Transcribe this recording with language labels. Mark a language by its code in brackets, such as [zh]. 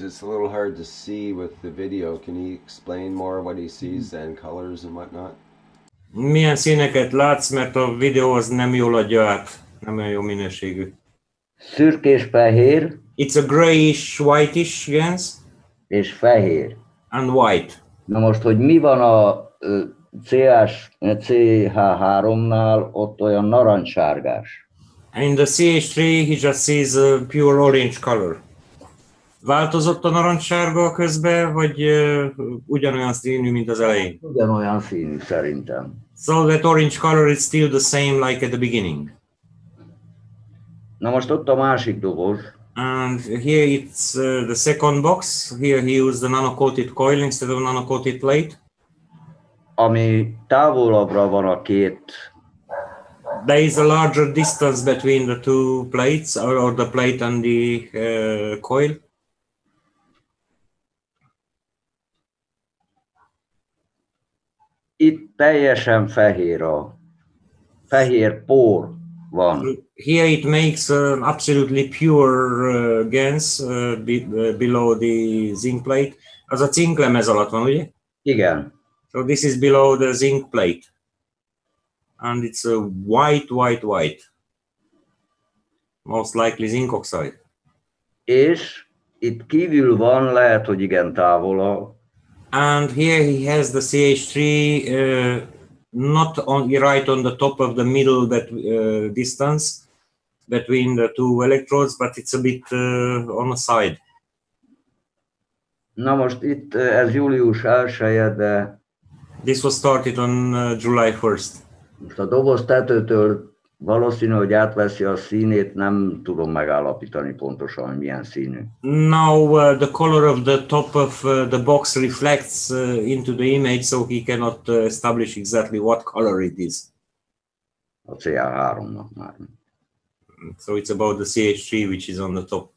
[en] It's a little hard to see with the video. Can he explain more what he sees and colors and whatnot? [hu] Milyen színeket látsz, mert a videó az nem jól adja át. Nem olyan jó minőségű. Szürkés fehér. [en] It's a grayish, whitish, yes. [hu] És fehér. [en] And white. [hu] Na most, hogy mi van a CH3-nál, ott olyan narancssárgás. [en] In the CH3, he just sees a pure orange color. [hu] Változott a narancssárga közben, vagy ugyanolyan színű, mint az elején? Ugyanolyan színű, szerintem. [en] So that orange color is still the same like at the beginning. [hu] Na most ott a másik doboz. [en] And here it's the second box. Here he used the nano-coated coil instead of nano-coated plate. [hu] Ami távolabbra van a két. [en] There is a larger distance between the two plates, or the plate and the coil. [hu] Itt teljesen fehér a fehér por. Van. [en] Here it makes absolutely pure GANs below the zinc plate. [hu] Az a cinklemez alatt van, ugye? Igen. [en] So this is below the zinc plate. And it's a white, white, white. Most likely zinc oxide. [hu] És itt kívül van, lehet, hogy igen távol a... [en] And here he has the CH3... not on right on the top of the middle that distance between the two electrodes, but it's a bit on the side. [hu] Na most itt ez július 1-e, de... [en] This was started on July 1st. [hu] Most a doboz tetőtől valószínű, hogy átveszi a színét, nem tudom megállapítani pontosan, hogy milyen színű. [en] Now the color of the top of the box reflects into the image, so he cannot establish exactly what color it is. [hu] A CH3-nak már. [en] So it's about the CH3, which is on the top.